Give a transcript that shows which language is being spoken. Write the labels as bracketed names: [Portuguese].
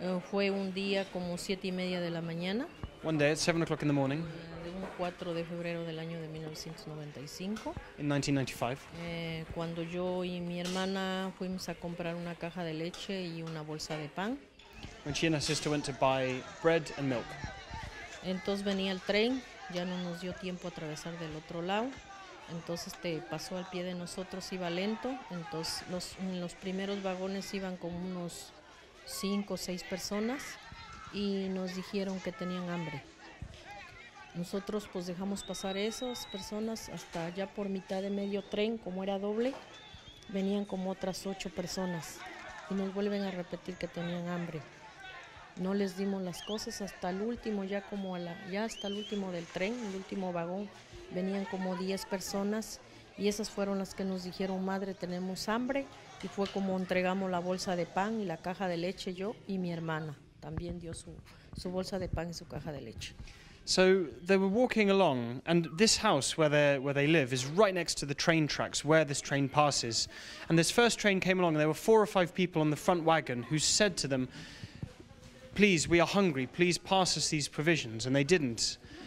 [Spanish] Fue un día como 7:30 de la mañana. [English] One day at 7 o'clock in the morning. [Spanish] De un 4 de febrero del año de 1995. [English] In 1995. [Spanish] Cuando yo y mi hermana fuimos a comprar una caja de leche y una bolsa de pan. [English] When she and her sister went to buy bread and milk. [Spanish] Entonces venía el tren, ya no nos dio tiempo a atravesar del otro lado. Entonces pasó al pie de nosotros, iba lento. Entonces los primeros vagones iban con unos 5 o 6 personas y nos dijeron que tenían hambre. Nosotros pues dejamos pasar esas personas hasta ya por mitad de medio tren, como era doble, venían como otras 8 personas y nos vuelven a repetir que tenían hambre. No les dimos las cosas hasta el último, ya hasta el último del tren, el último vagón, venían como 10 personas y esas fueron las que nos dijeron, madre, tenemos hambre, y fue como entregamos la bolsa de pan y la caja de leche yo y mi hermana, también dio su bolsa de pan y su caja de leche. [English] So they were walking along, and this house where they live is right next to the train tracks where this train passes. And this first train came along, and there were 4 or 5 people on the front wagon who said to them, please, we are hungry, please pass us these provisions, and they didn't.